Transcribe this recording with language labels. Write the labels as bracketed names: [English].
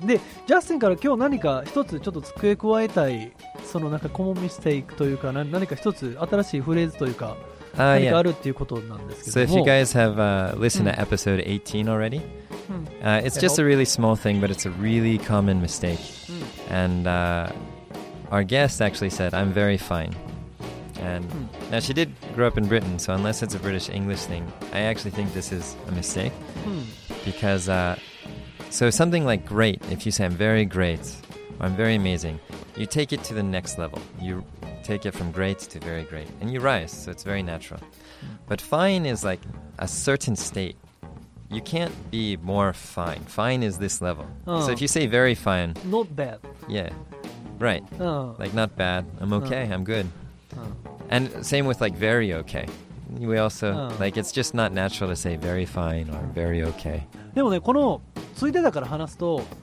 [Japanese] で、ジャスティンから今日何か一つちょっと付け加えたい、そのなんかコモンミステイクというか、何か一つ新しいフレーズというか、何かあるっていうことなんですけども。 [English] So if you guys have listened to episode 18 already,it's just a really small thing, but it's a really common mistake. And, our guest actually said, I'm very fine. And now she did grow up in Britain, so unless it's a British English thing, I actually think this is a mistake. Because, so something like great, if you say I'm very great, or I'm very amazing, you take it to the next level. You take it from great to very great. And you rise, so it's very natural. But fine is like a certain state. You can't be more fine. Fine is this level. So if you say very fine... Not bad. Yeah, right. Like not bad. I'm okay, I'm good. And same with like very okay. We also... like it's just not natural to say very fine or very okay. [Japanese] でもね、このついてだから話すと...